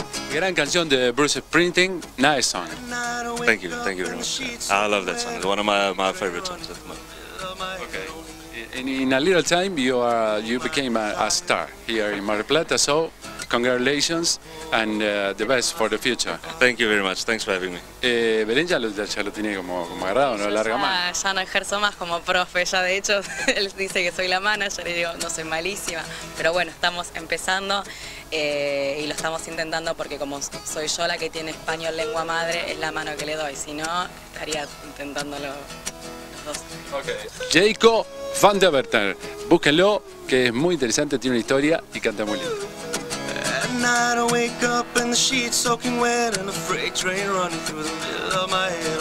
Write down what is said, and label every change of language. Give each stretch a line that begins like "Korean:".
Spanish: Gran canción de Bruce Springsteen,
English: nice song. Thank you very much. I love that song. It's one of my favorite songs at the moment. Okay. in a little time you became a star here in Mar del Plata. So congratulations and the best for the future. Thank you very much. Thanks for having me.
Spanish: Belén ya lo tiene como agarrado, no larga más. Ya no ejerzo más como profe. Ya de hecho él dice que soy la manager y digo no soy malísima, pero bueno, estamos empezando y lo estamos intentando porque como soy yo la que tiene español lengua madre, es la mano que le doy. Si no, estaría intentándolo.
English: Okay.
Spanish: Jaco van Daventer, búsquenlo, que es muy interesante, tiene una historia y canta muy lindo.
English: At night I wake up and the sheets soaking wet and a freight train running through the middle of my head.